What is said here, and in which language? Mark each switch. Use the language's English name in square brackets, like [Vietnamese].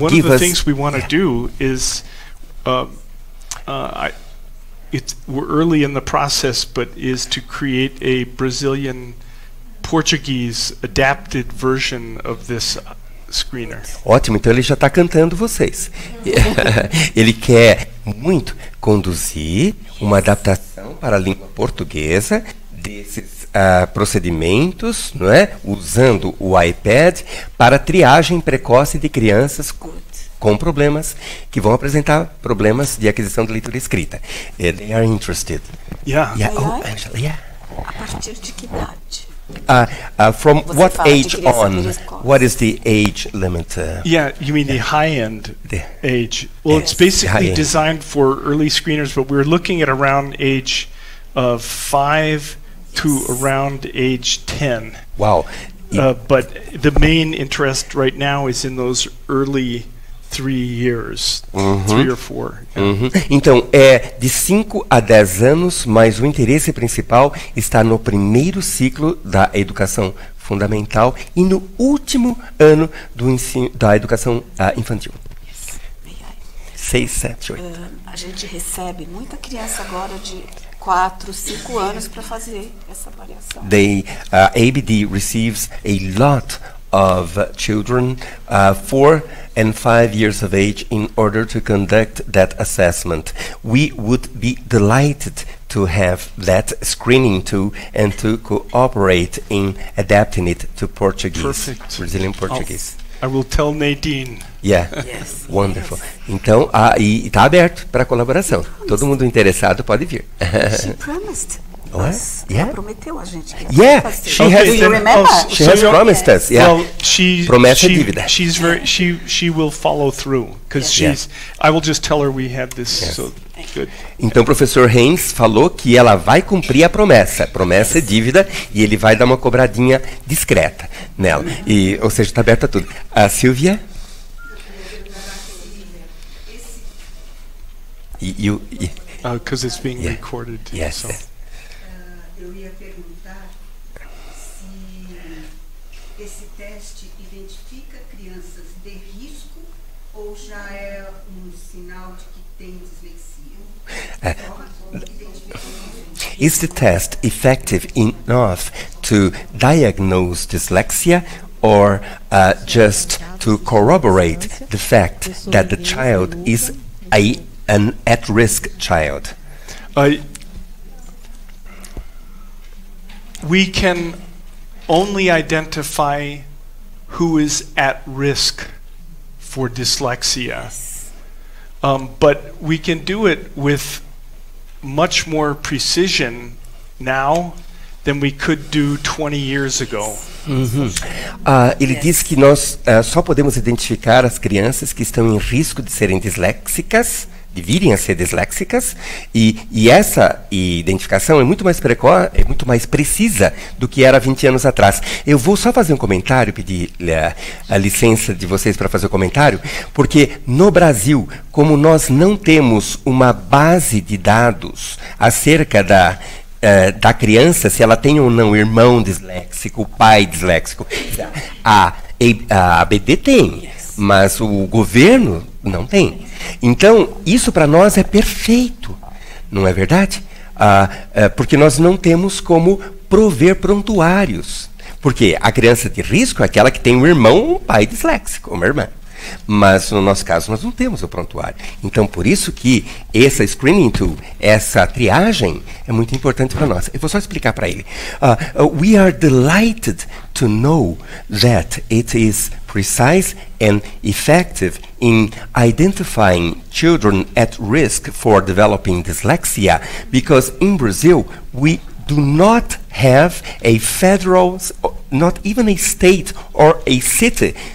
[English] One of the things we want to do is... we're early in the process, but is to create a Brazilian Portuguese adapted version of this screener. [Portuguese] Ótimo, então ele já está cantando vocês. Ele quer muito conduzir uma adaptação para a língua portuguesa desses procedimentos, não é? Usando o iPad para triagem precoce de crianças com problemas, que vão apresentar problemas de aquisição de leitura e escrita. [English] They are interested. Yeah. Yeah. Oh, Angela, yeah. [Portuguese] A partir de que idade? [English] From what age on, what is the age limit? The high-end age? Well, it's basically designed for early screeners, but we're looking at around age of 5 to around age 10. Wow. But the main interest right now is in those early 3 years, three or four. [Portuguese] Então, é de 5 a 10 anos, mas o interesse principal está no primeiro ciclo da educação fundamental e no último ano do ensino, da educação infantil. [English] Yes. 6, 7, 8. [Portuguese] A gente recebe muita criança agora de 4, 5 anos para fazer essa avaliação. [English] They, ABD receives a lot of children 4 and 5 years of age in order to conduct that assessment. We would be delighted to have that screening tool and to cooperate in adapting it to Portuguese. Perfect. Brazilian Portuguese. I will tell Nadine. Yeah. Yes. Wonderful. Yes. [Portuguese] Então, aí está aberto para colaboração. Todo mundo interessado pode vir. [English] She promised. What? [Portuguese] Yeah. Ela prometeu a gente. [English] Yeah, she has. You remember? She has promised us. Yeah. Well, she [Portuguese] promessa dívida. [English] She's very. She will follow through because she's. I will just tell her we have this. Yes. So good. [Portuguese] Então, professor Haynes falou que ela vai cumprir a promessa. Promessa é dívida e ele vai dar uma cobradinha discreta nela. E, ou seja, está aberta tudo. A Silvia. [English] Because it's being recorded. Yes. So. [Portuguese] Eu ia perguntar se esse teste identifica crianças de risco ou já é um sinal de que tem dislexia? [English] Is the test effective enough to diagnose dyslexia or just to corroborate the fact that the child is an at-risk child? We can only identify who is at risk for dyslexia. But we can do it with much more precision now than we could do 20 years ago. [Portuguese] Ele diz que nós só podemos identificar as crianças que estão em risco de serem disléxicas, de virem a ser disléxicas, e essa identificação é muito mais precoce, é muito mais precisa do que era 20 anos atrás. Eu vou só fazer um comentário, pedir a licença de vocês para fazer o comentário, porque no Brasil, como nós não temos uma base de dados acerca da criança, se ela tem ou não irmão disléxico, pai disléxico, a ABD tem, mas o governo não tem. Então, isso para nós é perfeito, não é verdade? Porque nós não temos como prover prontuários. Porque a criança de risco é aquela que tem um irmão ou um pai disléxico, uma irmã. Mas, no nosso caso, nós não temos o prontuário. Então, por isso que essa screening tool, essa triagem, é muito importante para nós. Eu vou só explicar para ele. [English] We are delighted to know that it is precise and effective in identifying children at risk for developing dyslexia, because in Brazil, we do not have a federal, not even a state or a city